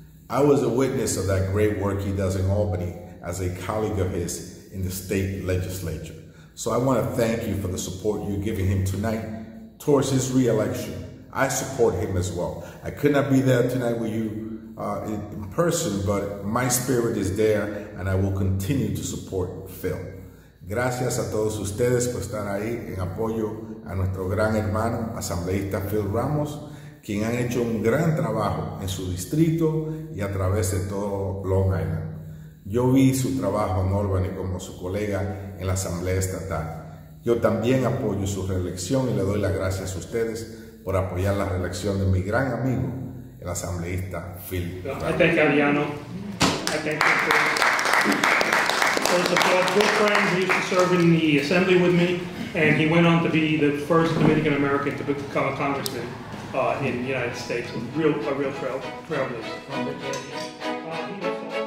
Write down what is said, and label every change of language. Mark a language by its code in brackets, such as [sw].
[en] I was a witness of that great work he does in Albany as a colleague of his in the state legislature. So I want to thank you for the support you're giving him tonight towards his reelection. I support him as well. I could not be there tonight with you in person, but my spirit is there and I will continue to support Phil. [es] Gracias a todos ustedes por estar ahí en apoyo a nuestro gran hermano, asambleísta Phil Ramos, quien han hecho un gran trabajo en su distrito y a través de todo Long Island. Yo vi su trabajo en Albany como su colega en la Asamblea Estatal. Yo también apoyo su reelección y le doy las gracias a ustedes por apoyar la reelección de mi gran amigo, el asambleísta Phil. [en] I thank Adriano. I thank you for the support. Good friends, he used to serve in the assembly with me. And he went on to be the first Dominican American to become a congressman in the United States. A real trailblazer.